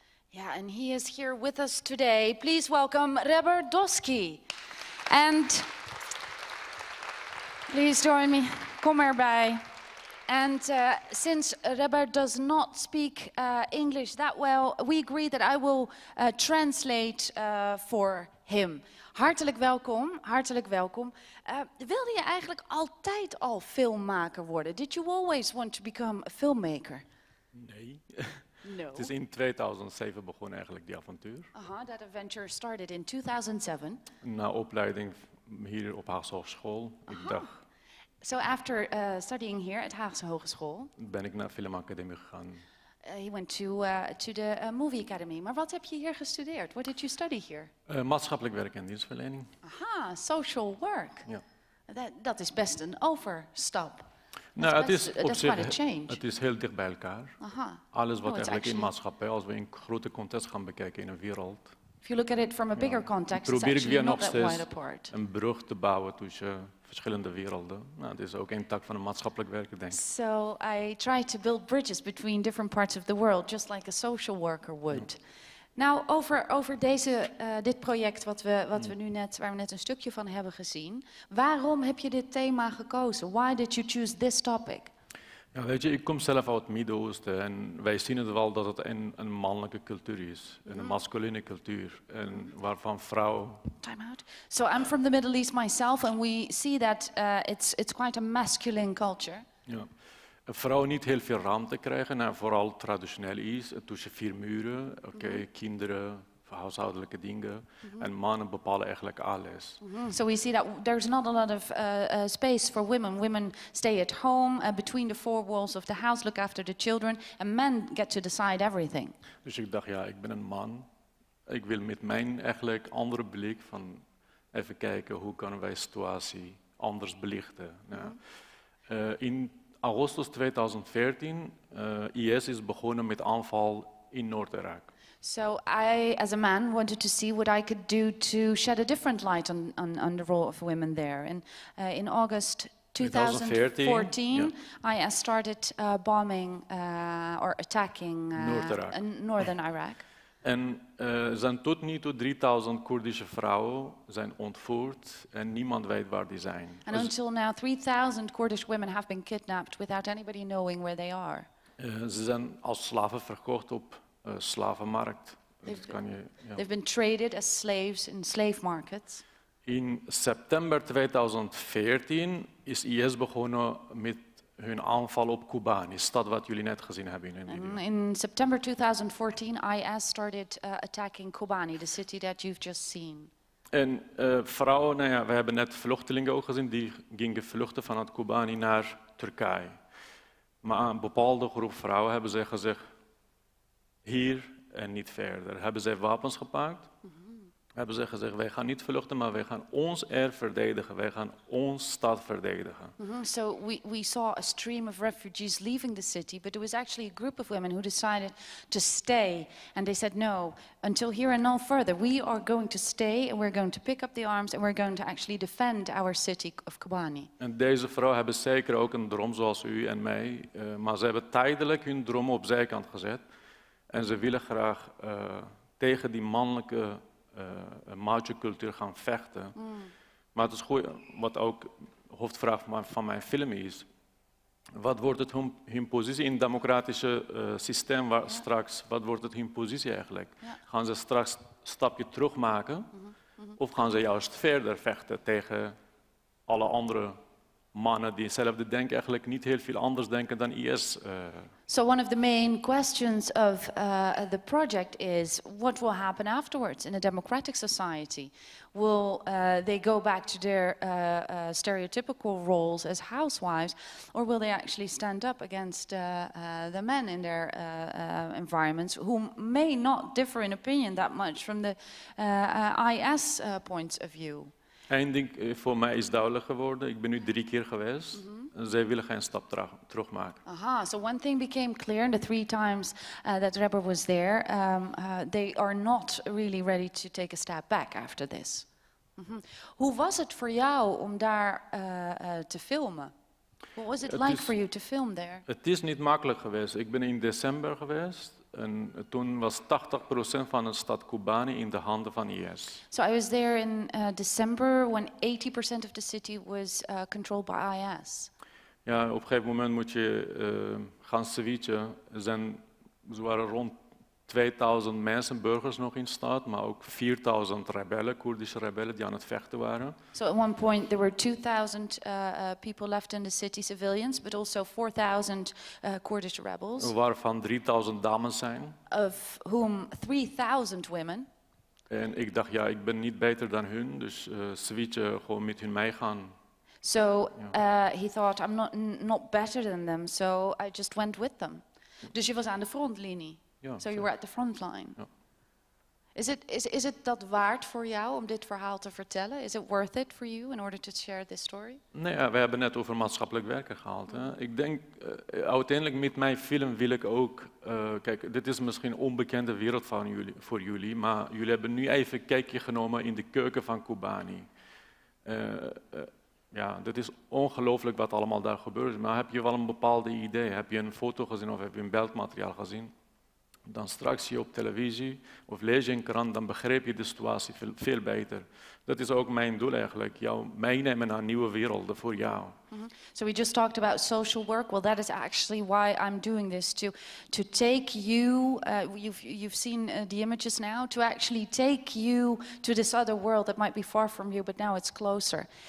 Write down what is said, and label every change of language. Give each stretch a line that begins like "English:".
English: Yeah, and he is here with us today. Please welcome Reber Dosky. And please join me.
Dutch: Kom erbij.
English: And since Reber does not speak English that well, we agree that I will translate for him.
Dutch: Hartelijk welkom, hartelijk welkom. Wilde je eigenlijk altijd al filmmaker worden?
English: Did you always want to become a filmmaker?
Dutch: Nee. No. Het is in 2007 begonnen eigenlijk die avontuur.
English: That adventure started in 2007.
Dutch: Na opleiding hier op Haagse Hogeschool. Ik dacht,
English: so after studying here at Haagse Hogeschool.
Dutch: Ben ik naar filmacademie gegaan.
English: He went to the movie academy.
Dutch: Maar wat heb je hier gestudeerd?
English: What did you study here?
Dutch: Maatschappelijk werk en dienstverlening.
English: Social work.
Dutch: Ja. Dat is best een overstap. Nou, het is op zich, het is heel dicht bij elkaar. Alles wat eigenlijk in maatschappij, als we in grote context gaan bekijken in een wereld.
English: If you look at it from a bigger context, probeer
Dutch: ik weer nog steeds een brug te bouwen tussen verschillende werelden. Nou, het is ook een tak van een maatschappelijk werker, denk ik.
English: So I try to build bridges between different parts of the world, just like a social worker would.
Dutch: Nou, over deze dit project waar we net een stukje van hebben gezien. Waarom heb je dit thema gekozen?
English: Why did you choose this topic?
Dutch: Ja, weet je, ik kom zelf uit het Midden-Oosten en wij zien het wel dat het een mannelijke cultuur is, een masculine cultuur, en waarvan vrouw.
English: Time out. So I'm from the Middle East myself, and we see that it's quite a masculine culture.
Dutch: Ja. Vrouwen niet heel veel ruimte krijgen, nou, vooral traditioneel is, tussen vier muren, okay, kinderen, huishoudelijke dingen. En mannen bepalen eigenlijk alles.
English: So we see that there's not a lot of space for women. Women stay at home, between the four walls of the house, look after the children, and men get to decide everything.
Dutch: Dus ik dacht, ja, ik ben een man. Ik wil met mijn eigenlijk andere blik van even kijken hoe kunnen wij situatie anders belichten. In augustus 2014, IS is begonnen met aanval in Noord-Irak.
English: So I, as a man, wanted to see what I could do to shed a different light on the role of women there. And in August 2014, IS started bombing or attacking Northern Iraq.
Dutch: En zijn tot nu toe 3000 Koerdische vrouwen zijn ontvoerd en niemand weet waar die zijn.
English: And until now 3000 Kurdish women have been kidnapped without anybody knowing where they are.
Dutch: Ze zijn als slaven verkocht op slavenmarkt.
English: They've been traded as slaves in slave markets.
Dutch: In september 2014 is IS begonnen met hun aanval op Kobani, stad wat jullie net gezien hebben in de video.
English: In september 2014, IS started attacking Kobani, the city that you've just seen.
Dutch: En vrouwen, nou ja, we hebben net vluchtelingen ook gezien, die gingen vluchten vanuit Kobani naar Turkije. Maar een bepaalde groep vrouwen hebben ze gezegd, hier en niet verder. Hebben ze wapens gepakt? Hebben ze gezegd, wij gaan niet vluchten, maar wij gaan ons er verdedigen. Wij gaan ons stad verdedigen.
English: So we saw a stream of refugees leaving the city, but it was actually a group of women who decided to stay. And they said, no, until here and no further. We are going to stay and we're going to pick up the arms and we're going to actually defend our city of Kobani.
Dutch: En deze vrouw hebben zeker ook een droom zoals u en mij, maar ze hebben tijdelijk hun droom op zijkant gezet. En ze willen graag tegen die mannelijke macho-cultuur gaan vechten. Maar het is goed, wat ook hoofdvraag van mijn film is, Wat wordt het hun positie in het democratische systeem waar straks? Wat wordt het hun positie eigenlijk? Ja. Gaan ze straks een stapje terug maken? Of gaan ze juist verder vechten tegen alle andere mannen die hetzelfde denken, eigenlijk niet heel veel anders denken dan IS?
English: So one of the main questions of the project is what will happen afterwards in a democratic society? Will they go back to their stereotypical roles as housewives, or will they actually stand up against the men in their environments who may not differ in opinion that much from the IS point of view?
Dutch: Eén ding voor mij is duidelijk geworden. Ik ben nu 3 keer geweest. Mm-hmm. Zij willen geen stap terug maken.
English: Aha, so one thing became clear in the 3 times that Reber was there. They are not really ready to take a step back after this. Mm-hmm.
Dutch: Hoe was het voor jou om daar te filmen?
English: What was it like for you to film there?
Dutch: Het is niet makkelijk geweest. Ik ben in december geweest. En toen was 80% van de stad Kobani in de handen van IS.
English: So I was there in December when 80% of the city was controlled by IS.
Dutch: Ja, op een gegeven moment moet je gaan switchen. Ze waren rond 2000 mensen, burgers nog in stad, maar ook 4000 rebellen, Koerdische rebellen die aan het vechten waren.
English: So at one point there were 2000 people left in the city, civilians, but also 4000 Kurdish rebels.
Dutch: Waarvan 3000 dames zijn.
English: Of whom 3000 women.
Dutch: En ik dacht, ja, ik ben niet beter dan hun, dus switchen, gewoon met hun meegaan.
English: So he thought, I'm not better than them, so I just went with them.
Dutch: Dus je was aan de frontlinie. Ja,
English: so you were at the front line.
Dutch: Ja. Is it dat waard voor jou om dit verhaal te vertellen?
English: Is it worth it for you in order to share this story?
Dutch: Nee, we hebben net over maatschappelijk werken gehaald. Hè. Ik denk, uiteindelijk met mijn film wil ik ook... Kijk, dit is misschien onbekende wereld van jullie, voor jullie, maar jullie hebben nu even een kijkje genomen in de keuken van Kobani. Ja, dat is ongelooflijk wat allemaal daar gebeurt. Maar heb je wel een bepaalde idee? Heb je een foto gezien of heb je een beeldmateriaal gezien? Dan straks je op televisie of lees je een krant, dan begrijp je de situatie veel beter. Dat is ook mijn doel eigenlijk, jou meenemen naar nieuwe werelden voor jou.
English: So we just talked about social work. Well, that is actually why I'm doing this, to take you, you've seen the images now, to actually take you to this other world that might be far from you, but now it's closer.